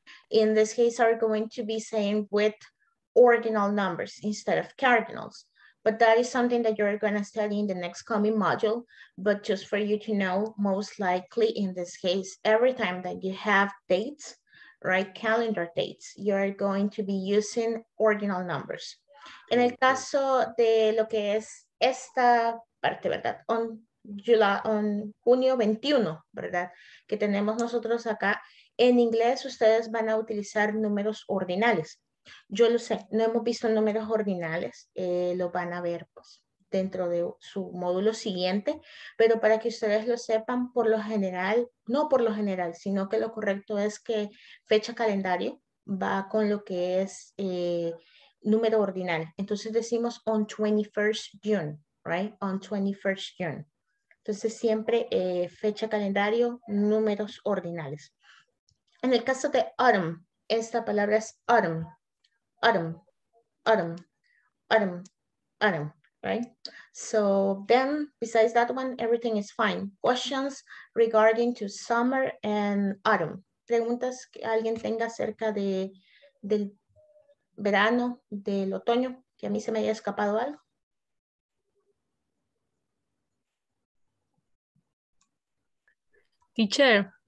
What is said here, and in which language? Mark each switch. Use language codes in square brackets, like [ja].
[en] In this case, are going to be saying with ordinal numbers instead of cardinals. But that is something that you're going to study in the next coming module. But just for you to know, most likely in this case, every time that you have dates, right, calendar dates, you're going to be using ordinal numbers. [es] En el caso de lo que es esta parte, ¿verdad? On junio 21, ¿verdad? Que tenemos nosotros acá. En inglés, ustedes van a utilizar números ordinales. Yo lo sé, no hemos visto números ordinales. Lo van a ver pues, dentro de su módulo siguiente. Pero para que ustedes lo sepan, por lo general, no por lo general, sino que lo correcto es que fecha calendario va con lo que es número ordinal. Entonces decimos [en] on 21st June, right? On 21st June. [es] Entonces siempre fecha calendario, números ordinales. En el caso de autumn, esta palabra es autumn. [en] Autumn, autumn, autumn, autumn. Right. So then besides that one, everything is fine. Questions regarding to summer and autumn. [es] Preguntas que alguien tenga acerca de del verano, del otoño, que a mí se me haya escapado algo. [en] Teacher.